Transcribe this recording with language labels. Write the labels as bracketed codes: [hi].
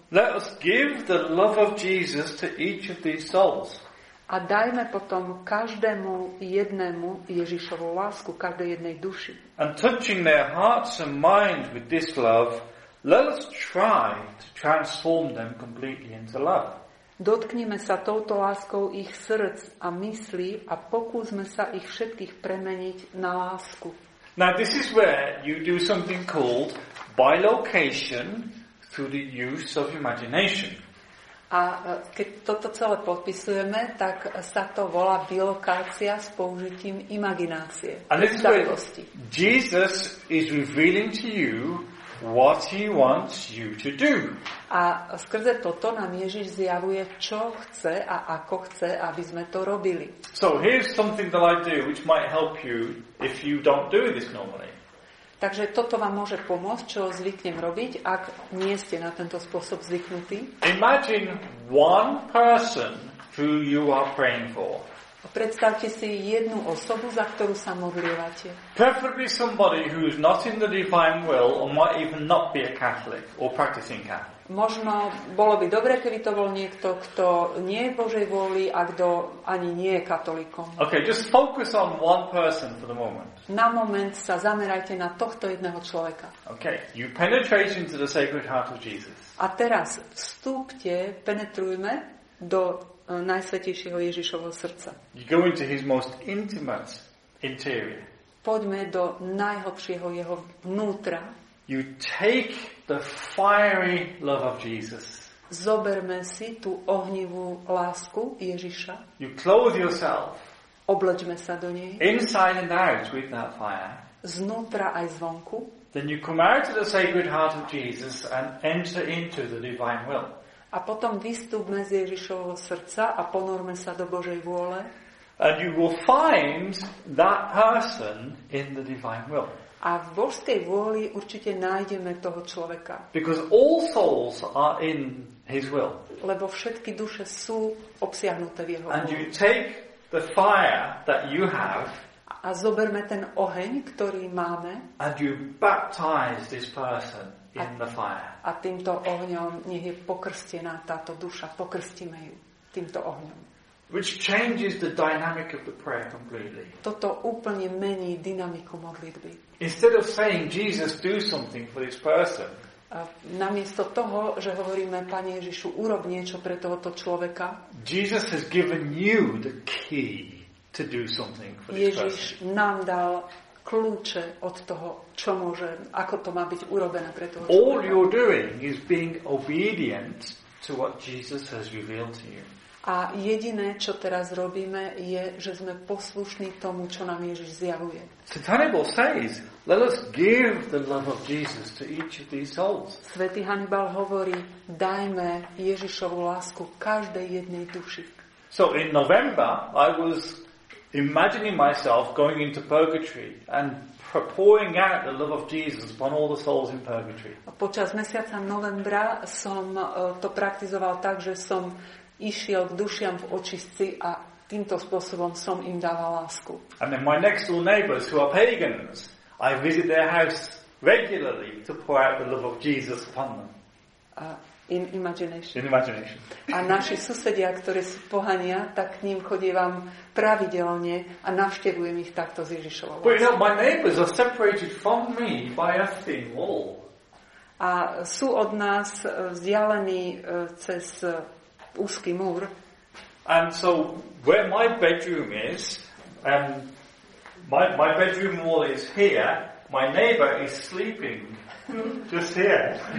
[en] Let us give the love of Jesus to each of these souls. [sk] A dajme potom každému jednému Ježišovu lásku, každej jednej duši. [en] And touching their hearts and minds with this love, let us try to transform them completely into love. [sk] Dotknime sa touto láskou ich srdc a mysli a pokúsme sa ich všetkých premeniť na lásku. [en] Now this is where you do something called bilocation through the use of imagination. [sk] A keď toto celé podpisujeme, tak sa to volá bilokácia s použitím imaginácie. [en] And this is where Jesus is revealing to you what he wants you to do. [sk] A skrze toto nám Ježiš zjavuje, čo chce a ako chce, aby sme to robili. [en] So here's something that I do which might help you if you don't do this normally. [sk] Takže toto vám môže pomôcť, čo zvyknem robiť, ak nie ste na tento spôsob zvyknutí. [en] Imagine one person who you are praying for. [sk] Predstavte si jednu osobu, za ktorú sa modlievate. [en] Preferably somebody who is not in the divine will or might even not be a Catholic or practicing Catholic. [sk] Možno bolo by dobre, keby to bol niekto, kto nie je Božej vôli a kto ani nie je katolíkom. [en] Okay, just focus on one person for the moment. [sk] Na moment sa zamerajte na tohto jedného človeka. [en] Okay, you penetrate into the sacred heart of Jesus. [sk] A teraz vstúpte, penetrujme do najsvätejšieho Ježišovho srdca. [en] You go into his most intimate interior. [sk] Poďme do najhlbšieho jeho vnútra. [en] You take the fiery love of Jesus. [sk] Zoberme si tú ohnivú lásku Ježiša. [en] You clothe yourself. [sk] Obleďme sa do nej. [en] Inside and out with that fire. [sk] Znútra aj zvonku. [en] Then you come out of the sacred heart of Jesus and enter into the divine will. [sk] A potom vystúpme z Ježišovho srdca a ponorme sa do Božej vôle. [en] And you will find that person in the divine will. [sk] A v božskej vôli určite nájdeme toho človeka. [en] Because all souls are in his will. [sk] Lebo všetky duše sú obsiahnuté v jeho vôli. [en] And you take the fire that you have. [sk] A zoberme ten oheň, ktorý máme. [en] And you baptize this person in the fire. [sk] A týmto ohňom nech je pokrstená táto duša. Pokrstíme ju týmto ohňom. [en] Which changes the dynamic of the prayer completely. [sk] Toto úplne mení dynamiku modlitby. [en] Instead of saying Jesus do something for this person. [sk] Namiesto toho, že hovoríme Pane Ježišu urob niečo pre tohoto človeka. [en] Jesus has given you the key to do something for this [sk] Ježiš [en] person. [sk] Ježiš nám dal kľúče od toho, čo môže, ako to má byť urobené pre toho človeka. [en] All you're doing is being obedient to what Jesus has revealed to you. [sk] A jediné, čo teraz robíme, je, že sme poslušní tomu, čo nám Ježiš zjavuje. [en] Hannibal says, let us give the love of Jesus to each of these souls. [sk] Svätý Hannibal hovorí, dajme Ježišovu lásku každej jednej duši. [en] So in November I was imagining myself going into purgatory and pouring out the love of Jesus upon all the souls in purgatory. [sk] Počas mesiaca novembra som to praktizoval tak, že som išiel k dušiam v očistci a týmto spôsobom som im dával lásku. [en] And then my next door neighbors who are pagans, I visit their house regularly to pour out the love of Jesus upon them. In imagination. [sk] A naši susedia, ktorí sú pohania, tak k ním chodívam pravidelne a navštevujem ich takto z Ježišovou láskou. [en] But you know, my neighbors are separated from me by a thin wall. [sk] A sú od nás vzdialení cez úzky múr. [en] And so where my bedroom is, my bedroom wall is here, my neighbor is sleeping just here.